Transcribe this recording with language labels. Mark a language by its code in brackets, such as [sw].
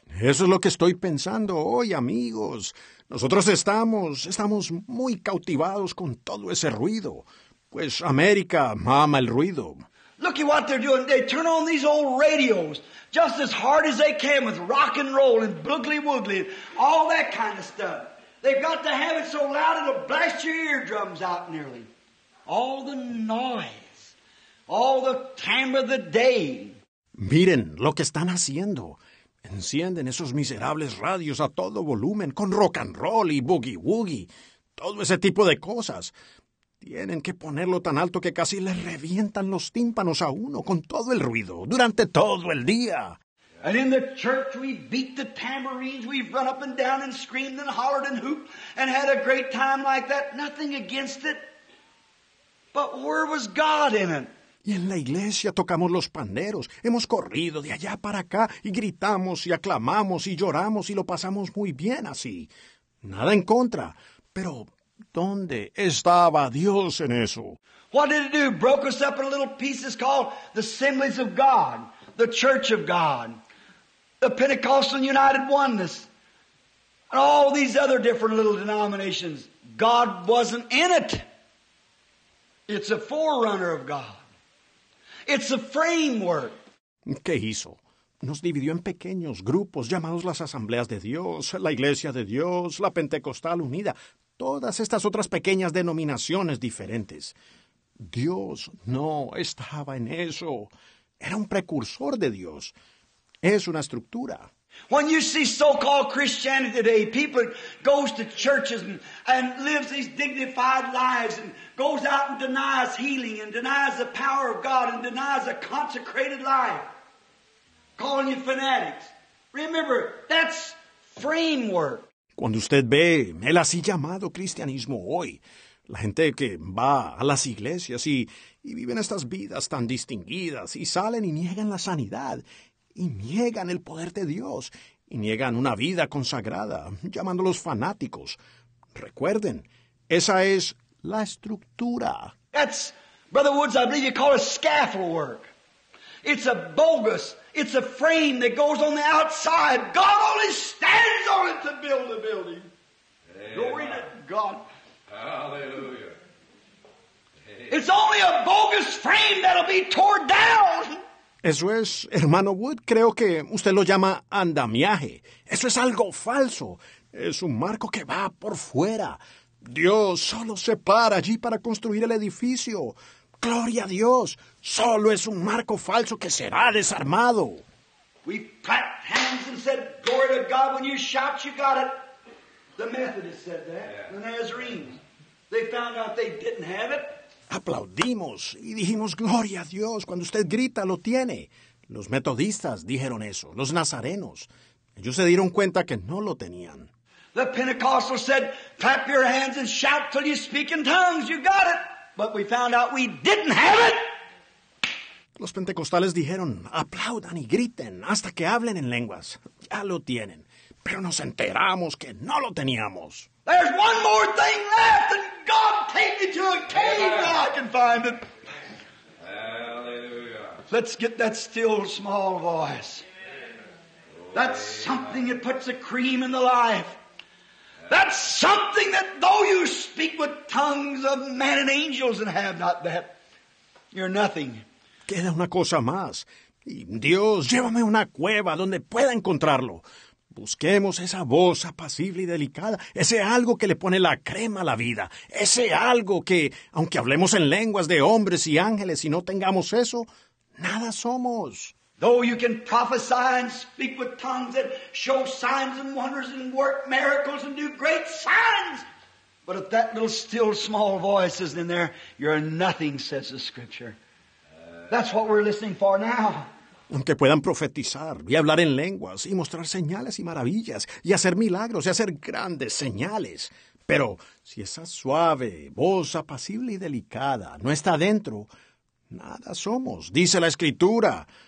[es] Eso es lo que estoy pensando hoy, amigos. Nosotros estamos muy cautivados con todo ese ruido. Pues América ama el ruido. [en] Look at what they're doing. They turn on these old radios just as hard as they can with rock and roll and boogie woogie, all that kind of stuff. They've got to have it so loud it'll blast your eardrums out nearly. All the noise, all the time of the day. [es] Miren lo que están haciendo. Encienden esos miserables radios a todo volumen con rock and roll y boogie woogie, todo ese tipo de cosas. Tienen que ponerlo tan alto que casi le revientan los tímpanos a uno con todo el ruido durante todo el día. [en] And in the church we beat the tambourines, we've run up and down and screamed and hollered and hooped and had a great time like that. Nothing against it. But where was God in it? [es] Y en la iglesia tocamos los panderos, hemos corrido de allá para acá y gritamos y aclamamos y lloramos y lo pasamos muy bien así. Nada en contra, pero ¿dónde estaba Dios en eso? [en] What did it do? Broke us up in little pieces called the Assemblies of God, the Church of God, the Pentecostal United Oneness, and all these other different little denominations. God wasn't in it. It's a forerunner of God. It's a framework. [es] ¿Qué hizo? Nos dividió en pequeños grupos llamados las Asambleas de Dios, la Iglesia de Dios, la Pentecostal Unida, todas estas otras pequeñas denominaciones diferentes. Dios no estaba en eso. Era un precursor de Dios. Es una estructura. [en] When you see so-called Christianity today, people goes to churches and lives these dignified lives and goes out and denies healing and denies the power of God and denies a consecrated life, calling you fanatics. Remember, that's framework. [es] Cuando usted ve el así llamado cristianismo hoy, la gente que va a las iglesias y viven estas vidas tan distinguidas y salen y niegan la sanidad, y niegan el poder de Dios, y niegan una vida consagrada, llamándolos fanáticos. Recuerden, esa es la estructura. [en] That's, Brother Woods, I believe you call it scaffold work. It's a bogus, it's a frame that goes on the outside. God only stands on it to build a building. Amen. Glory to God. Hallelujah. It's only a bogus frame that'll be torn down. [es] Eso es, hermano Wood, creo que usted lo llama andamiaje. Eso es algo falso. Es un marco que va por fuera. Dios solo se para allí para construir el edificio. ¡Gloria a Dios! Solo es un marco falso que será desarmado. [en] We clapped hands and said, glory to God, when you shout, you got it. The Methodists said that, yeah. The Nazarenes. They found out they didn't have it. [es] Aplaudimos y dijimos, gloria a Dios, cuando usted grita, lo tiene. Los metodistas dijeron eso, los nazarenos. Ellos se dieron cuenta que no lo tenían. [en] The Pentecostal said, clap your hands and shout till you speak in tongues, you got it. But we found out we didn't have it. [es] Los pentecostales dijeron, aplaudan y griten hasta que hablen en lenguas. Ya lo tienen. Pero nos enteramos que no lo teníamos. [en] There's one more thing left, and God take me to a cave where I can find it. Hallelujah. Let's get that still, small voice. Amen. That's something that puts a cream in the life. Amen. That's something that though you speak with tongues of men and angels and have not that, you're nothing. [es] Queda una cosa más. Y Dios, llévame a una cueva donde pueda encontrarlo. Busquemos esa voz apacible y delicada, ese algo que le pone la crema a la vida, ese algo que, aunque hablemos en lenguas de hombres y ángeles y no tengamos eso, nada somos. [en] Though you can prophesy and speak with tongues and show signs and wonders and work miracles and do great signs, but if that little still small voice isn't in there, you're nothing, says the scripture. That's what we're listening for now. [es] Aunque puedan profetizar y hablar en lenguas y mostrar señales y maravillas y hacer milagros y hacer grandes señales. Pero si esa suave voz apacible y delicada no está dentro, nada somos, dice la Escritura.